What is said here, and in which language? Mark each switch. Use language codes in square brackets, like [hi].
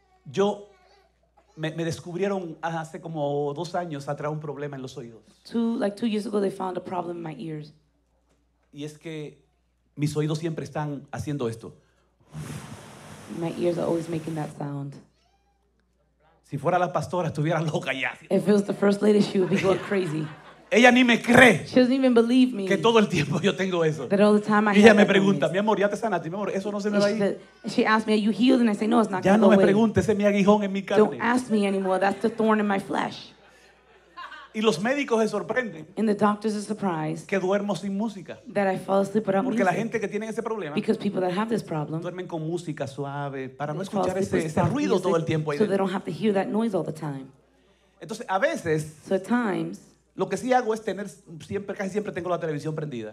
[es] Yo me descubrieron hace como 2 años atrás un problema en los oídos. [en] Two years ago, they found a problem in my ears. [es] Y es que mis oídos siempre están haciendo esto. [en] My ears are always making that sound. [es] Si fuera la pastora, estuviera loca ya. [en] If it was the first lady, she would be going crazy. [es] Ella ni me cree. [en] She doesn't even believe me. [es] Que todo el tiempo yo tengo eso. [en] That all the time I have. [es] Y ella me pregunta, mi amor, ¿ya te sanaste? Mi amor, eso no se me va a ir. [en] She asked me, are you healed? And I say, no, it's not going away. [es] no me pregunte, ese es mi aguijón en mi carne. [en] Don't ask me anymore, that's the thorn in my flesh. [es] Y los médicos se sorprenden. [en] And the doctors are surprised. [es] Que duermo sin música. [en] That I fall asleep without music. [es] Porque la gente que tiene ese problema. [en] Because people that have this problem. [es] Duermen con música suave para no escuchar ese ruido todo el tiempo ahí. [en] So they don't have to hear that noise all the time. [es] Entonces, a veces. [en] So at times. [es] Lo que sí hago es tener siempre, casi siempre tengo la televisión prendida.